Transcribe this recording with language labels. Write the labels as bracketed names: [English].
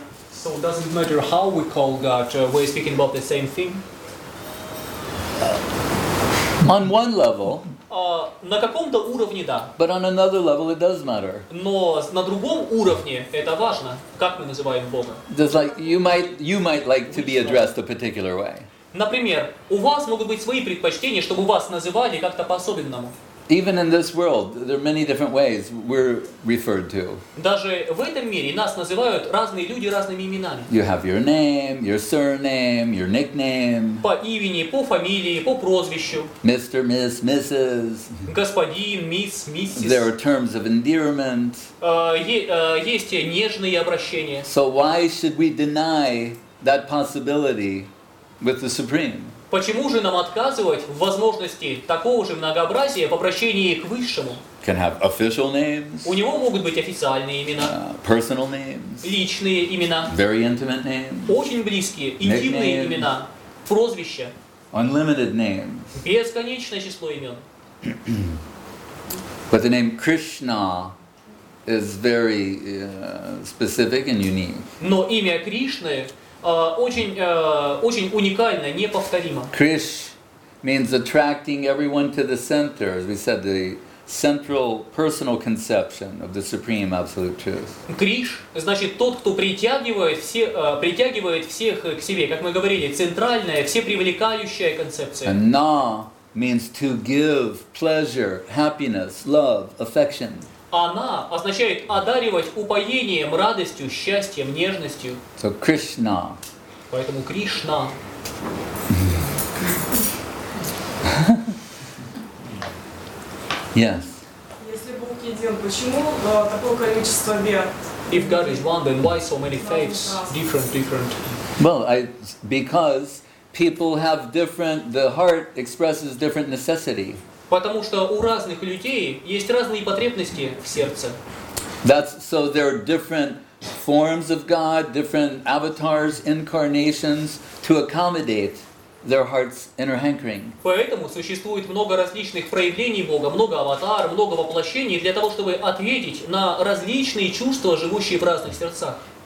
[English] So does it matter how we call God? We're speaking about the same thing. On one level. [Russian] На каком-то уровне да. [English] But on another level it does matter. [Russian] Но на другом уровне это важно, как мы называем Бога. [English] Just like you might like to be addressed a particular way. [Russian] Например, у вас могут быть свои предпочтения, чтобы вас называли как-то по-особенному. [English] Even in this world, there are many different ways we're referred to. [Russian] Даже в этом мире нас называют разные люди разными именами. [English] You have your name, your surname, your nickname. [Russian] По имени, по фамилии, по прозвищу. [English] Mr., Miss., Mrs. [Russian] Господин, мисс, миссис. [English] There are terms of endearment. [Russian] Есть нежные обращения. [English] So why should we deny that possibility with the Supreme? [Russian] Почему же нам отказывать в возможности такого же многообразия в обращении к Высшему? [English] Can have official names, [Russian] у него могут быть официальные имена, [English] personal names, [Russian] личные имена, [English] very intimate names, [Russian] очень близкие, интимные имена, прозвища, [English] unlimited names. [Russian] Бесконечное число имен. [English] But the name Krishna is very specific and unique. [Russian] Но имя Кришны очень уникально, неповторимо. [English] Krish means attracting everyone to the center, as we said, the central personal conception of the Supreme Absolute Truth. [Russian] Krish значит тот, кто притягивает всех к себе, как мы говорили, центральная, всепривлекающая концепция. [English] And Na means to give pleasure, happiness, love, affection. [Russian] Она означает одаривать упоением, радостью, счастьем, нежностью. [English] So Krishna. [Russian] Поэтому Кришна. [English] Yes. [Russian] Если Бог един, почему такое количество вер? [English] If God is one, then why so many faiths? Different. Well, because people have different, the heart expresses different necessity. [Russian] Потому что у разных людей есть разные потребности в сердце. [English] That's so there are different forms of God, different avatars, incarnations to accommodate their heart's inner hankering. [Russian] Поэтому существует много различных проявлений Бога, много аватар, много воплощений для того, чтобы ответить на различные чувства, живущие в разных сердцах.